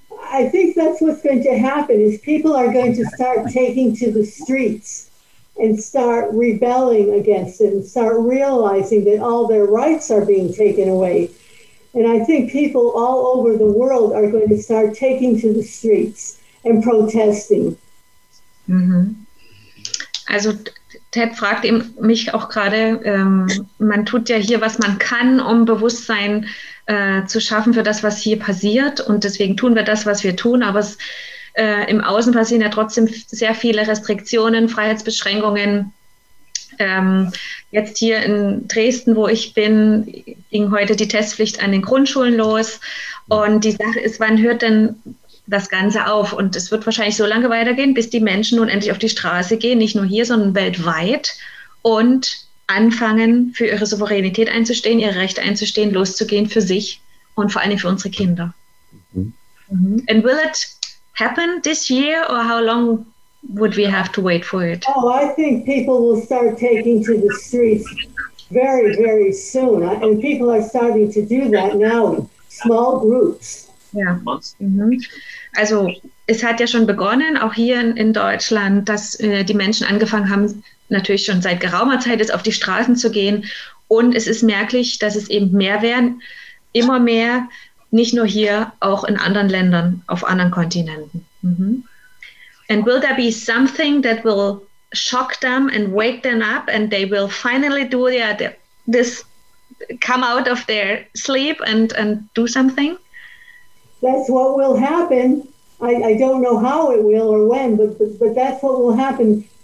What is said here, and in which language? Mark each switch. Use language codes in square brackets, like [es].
[en] I think that's what's going to happen, is people are going to start taking to the streets and start rebelling against it and start realizing that all their rights are being taken away. And I think people all over the world are going to start taking to the streets and protesting. Mm-hmm. [de] Also, Ted fragt eben mich auch gerade, man tut ja hier, was man kann, um Bewusstsein zu schaffen für das, was hier passiert. Und deswegen tun wir das, was wir tun. Aber es, im Außen passieren ja trotzdem sehr viele Restriktionen, Freiheitsbeschränkungen. Jetzt hier in Dresden, wo ich bin, ging heute die Testpflicht an den Grundschulen los. Und die Sache ist, wann hört denn das Ganze auf? Und es wird wahrscheinlich so lange weitergehen, bis die Menschen nun endlich auf die Straße gehen, nicht nur hier, sondern weltweit, und anfangen, für ihre Souveränität einzustehen, ihr Recht einzustehen, loszugehen für sich und vor allem für unsere Kinder. Mm-hmm. [en] And will it happen this year, or how long would we have to wait for it? Oh, I think people will start taking to the streets very, very soon. And people are starting to do that now, small groups. [de] Ja, mhm. Also es hat ja schon begonnen, auch hier in Deutschland, dass die Menschen angefangen haben, natürlich schon seit geraumer Zeit jetzt auf die Straßen zu gehen. Und es ist merklich, dass es eben mehr werden, immer mehr, nicht nur hier, auch in anderen Ländern, auf anderen Kontinenten. Mhm. [en] And will there be something that will shock them and wake them up and they will finally do this, come out of their sleep and do something? That's what will happen. I don't know how it will or when, but that's what will happen.